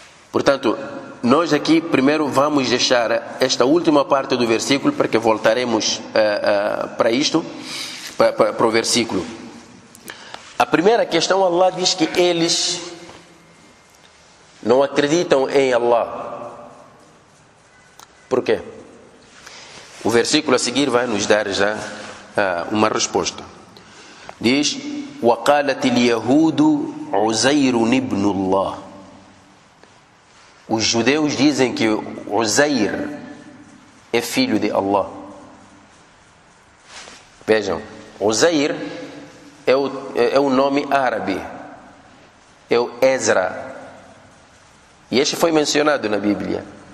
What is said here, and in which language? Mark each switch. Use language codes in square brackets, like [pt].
[pt] Portanto, nós aqui primeiro vamos deixar esta última parte do versículo, porque voltaremos para isto, para o versículo. A primeira questão, Allah diz que eles não acreditam em Allah. Por quê? O versículo a seguir vai nos dar já uma resposta. Diz: [ar] وَقَالَتِ الْيَهُودُ عُزَيْرٌ ابْنُ اللَّهِ. [pt] Os judeus dizem que Uzair é filho de Allah. Vejam, Uzair é o nome árabe. É o Ezra. E este foi mencionado na Bíblia.